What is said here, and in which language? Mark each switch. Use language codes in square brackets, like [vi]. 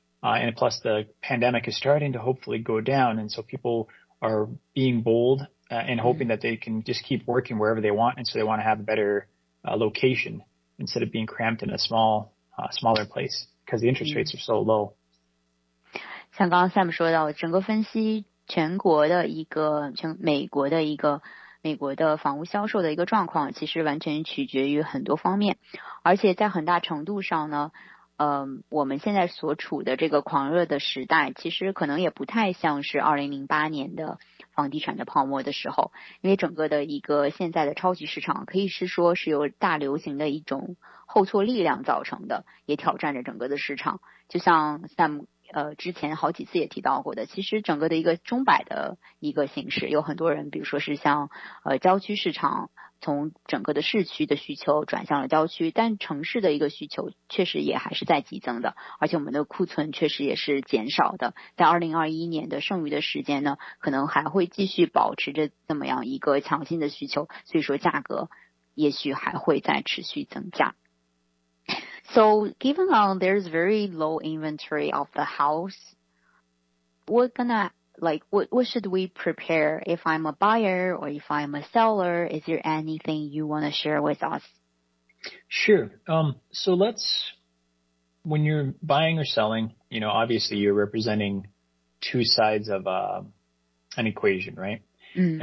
[en] And plus the pandemic is starting to hopefully go down. And so people are being bold. And hoping that they can just keep working wherever they want. And so they want to have a better location instead of being cramped in a smaller place because the interest rates are so low. [zh] 像刚刚 Sam 说到，整个分析全国的一个全美国的一个美国的房屋销售的一个状况，其实完全取决于很多方面，而且在很大程度上呢，我们现在所处的这个狂热的时代其实可能也不太像是2008年的房地产的泡沫的时候，因为整个的一个现在的超级市场可以是说是由大流行的一种后挫力量造成的，也挑战着整个的市场。就像 Sam 之前好几次也提到过的，其实整个的一个钟摆的一个形式，有很多人比如说是像郊区市场从整个的市区的需求转向了郊区，但城市的一个需求确实也还是在激增的，而且我们的库存确实也是减少的，在2021年的剩余的时间呢，可能还会继续保持着这么样一个强劲的需求，所以说价格也许还会再持续增加。 [en] So given on there's very low inventory of the house, we're gonna like what should we prepare if I'm a buyer or if I'm a seller? Is there anything you want to share with us? Sure. So let's, when you're buying or selling, you know, obviously you're representing two sides of an equation, right? Mm.